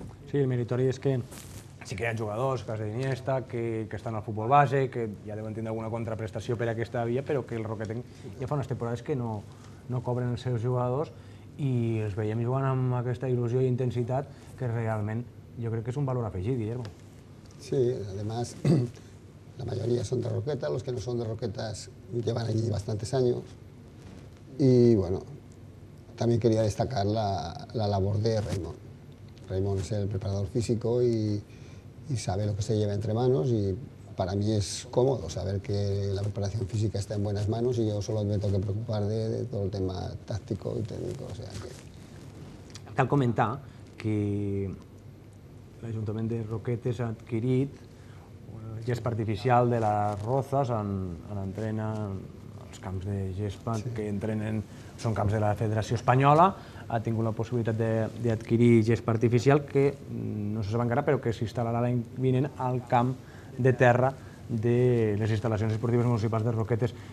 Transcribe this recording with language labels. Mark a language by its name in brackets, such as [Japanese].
[Catalan] Sí, el meritori és que sí que hi ha jugadors, Casa d'Iniesta, que estan al futbol base, que ja deuen tindre alguna contraprestació per aquesta via, però que el Roquetenc ja fa unes temporades que no cobren els seus jugadors i els veiem jugant amb aquesta il·lusió i intensitat que realment jo crec que és un valor afegit, Guillermo. [Spanish] Sí, además la mayoría son de Roqueta, los que no son de Roquetas llevan allí bastantes años. Y bueno, también quería destacar la labor de Raymond. Raymond es el preparador físico y sabe lo que se lleva entre manos y para mí es cómodo saber que la preparación física está en buenas manos y yo solo me tengo que preocupar de todo el tema táctico y técnico. O sea, que... [Catalan] Cal comentar que l'Ajuntament de Roquetes ha adquirit el gesp artificial de les Roses on entrenen els camps de gesp que entrenen, són camps de la Federació Espanyola, ha tingut la possibilitat d'adquirir gesp artificial que no se sap encara, però que s'instal·larà l'any vinent al camp de terra de les instal·lacions esportives municipals de Roquetes.